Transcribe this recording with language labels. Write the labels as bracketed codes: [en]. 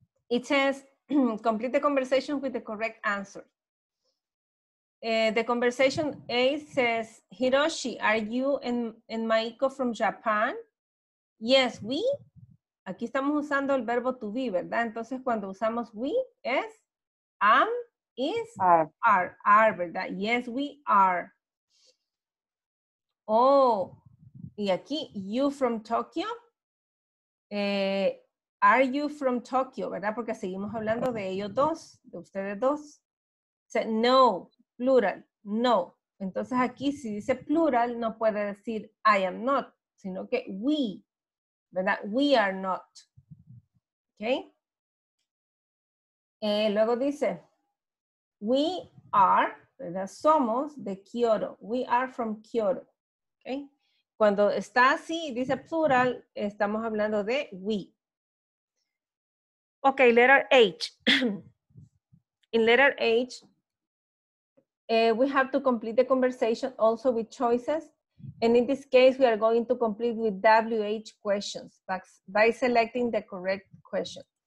[en] It says, complete the conversation with the correct answer. The conversation A says, Hiroshi, are you and Maiko from Japan? Yes, we. [es] Aquí estamos usando el verbo to be, ¿verdad? Entonces, cuando usamos we, es, am, is, [en] are, [es] ¿verdad? [en] Yes, we are. Oh, [es] y aquí, [en] you from Tokyo. Are you from Tokyo, [es] ¿verdad? Porque seguimos hablando de ellos dos, de ustedes dos. Say, no, plural, no. Entonces, aquí, si dice plural, no puede decir [en] I am not, [es] sino que we. ¿Verdad? [en] We are not. [es] ¿Ok? Luego dice, [en] we are, [es] ¿verdad? Somos de Kyoto. [en] We are from Kyoto. [es] ¿Ok? Cuando está así, dice plural, estamos hablando de we. [en] Ok, letter H. In letter H, we have to complete the conversation also with choices. And in this case, we are going to complete with WH questions by selecting the correct question.